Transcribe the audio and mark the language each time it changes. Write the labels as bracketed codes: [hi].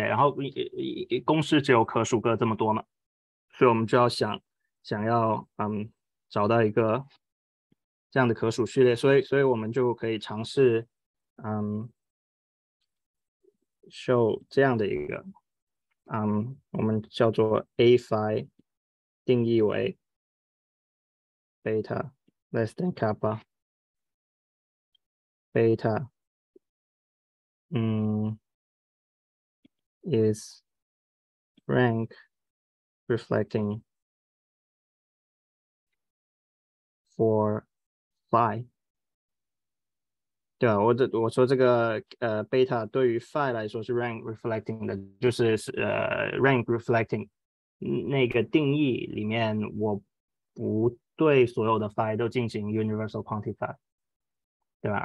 [zh] 然后公式只有可数个这么多嘛，所以我们就要想要找到一个这样的可数序列，所以我们就可以尝试show 这样的一个我们叫做 A-phi 定义为 [en] beta less than kappa beta is rank reflecting for phi. [zh] 对啊，我说这个beta 对于 phi 来说是 rank reflecting 的，就是rank reflecting 那个定义里面，我不对所有的 phi 都进行 universal quantify， 对吧？